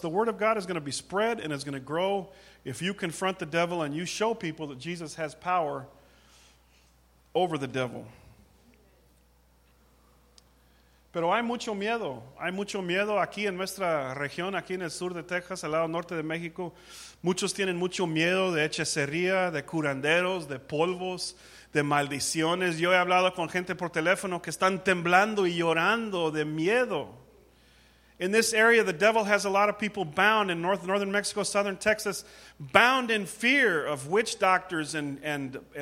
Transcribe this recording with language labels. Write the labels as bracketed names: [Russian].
[English] The word of God is going to be spread and it's going to grow. If you confront the devil and you show people that Jesus has power over the devil. [Spanish] Pero hay mucho miedo. Hay mucho miedo aquí en nuestra región, aquí en el sur de Texas, al lado norte de México. Muchos tienen mucho miedo de hechicería, de curanderos, de polvos, de maldiciones. Yo he hablado con gente por teléfono que están temblando y llorando de miedo. [English] In this area, the devil has a lot of people bound in northern Mexico, southern Texas, bound in fear of witch doctors and